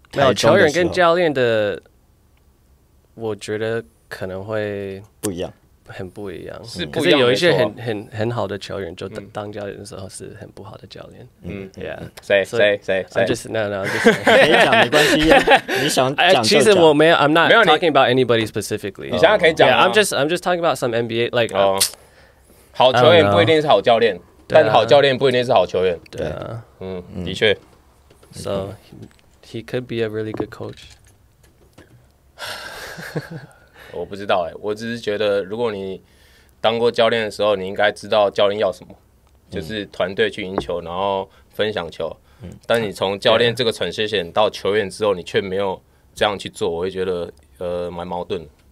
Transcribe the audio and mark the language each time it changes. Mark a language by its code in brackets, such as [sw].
[zh] 没有球员跟教练的，我觉得可能会不一样。很不一样，是不一樣，可是有一些很好的球员，就当教练的时候是很不好的教练。谁？ [en] No, no, just [zh] 没讲没关系、啊，你想讲就讲。其实我没有 [en] ，I'm not talking about anybody specifically。 [zh] 你现在可以讲、 [en] yeah, ，I'm just talking about some NBA like、oh, [zh] 好球员不一定是好教练，但好教练不一定是好球员。对啊，的确。 [en] So he could be a really good coach 。 [zh] 我不知道、欸、我只是觉得如果你当过教练的时候，你应该知道教练要什么，就是团队去赢球，然后分享球。但你从教练这个transition到球员之后，你却没有这样去做，我会觉得蛮矛盾。